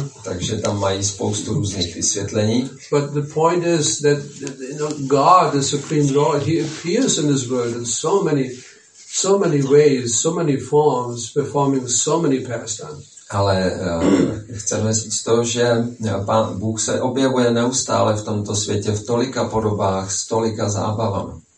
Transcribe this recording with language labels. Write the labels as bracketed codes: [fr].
[cs] Takže tam mají spoustu různých vysvětlení. [en] But the point is that, you know, God, the Supreme Lord, he appears in this world in so many so many ways, so many forms, performing so many pastimes. [cs] Ale chceme říct to, že Pán Bůh se objevuje neustále v tomto světě v tolika podobách, s tolika zábavami.